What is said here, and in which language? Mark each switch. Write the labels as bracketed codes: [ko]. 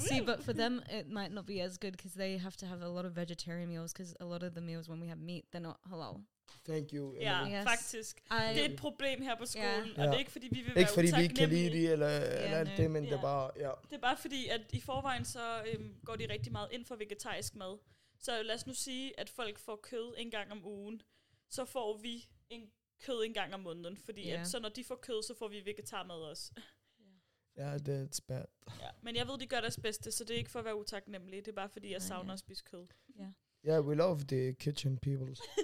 [en] See, but for them, it might not be as good because they have to have a lot of vegetarian meals because a lot of the meals when we have meat, they're not halal. Thank you. [da] Yeah, faktisk. Yes. Det er et problem her på skolen, yeah. Og det er ikke fordi, vi vil ikke være utaknemmelige. Ikke fordi, vi kan lide det eller alt det, men det er bare, ja. Det er bare fordi, at i forvejen så går de rigtig meget ind for vegetarisk mad. Så lad os nu sige, at folk får kød en gang om ugen, så får vi en kød en gang om måneden. Fordi at, så når de får kød, så får vi vegetarmad også. [en] Ja, yeah, that's bad. [da] Ja, men jeg ved, de gør deres bedste, så det er ikke for at være utaknemmelige. Det er bare fordi, jeg savner at spise kød. [en] Yeah. Yeah, we love the kitchen people.